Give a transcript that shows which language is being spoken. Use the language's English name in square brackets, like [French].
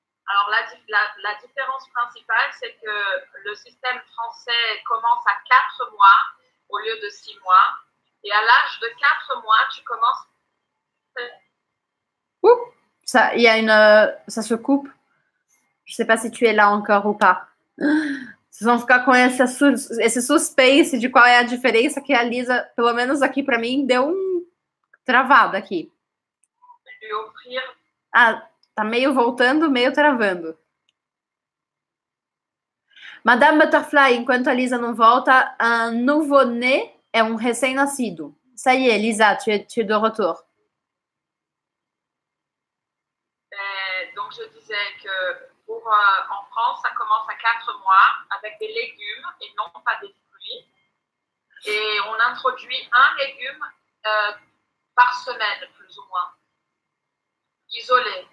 [French] Alors, la différence principale, c'est que le système français commence à 4 mois au lieu de 6 mois. Et à l'âge de 4 mois, tu commences... Ouh! Ça, il y a une, ça se coupe. Je sais pas si tu es là encore ou pas. [Portuguese] Vocês vão ficar com esse suspense de qual é a diferença que a Lisa, pelo menos aqui para mim, deu um travado aqui. Ah, tá meio voltando, meio travando. Madame Butterfly, enquanto a Lisa não volta, [French] un nouveau-né [Portuguese] é um recém-nascido. [French] Ça y est, Lisa, tu es de retour. Donc, je disais que pour, en France, ça commence à 4 mois avec des légumes et non pas des fruits. Et on introduit un légume par semaine, plus ou moins, isolé.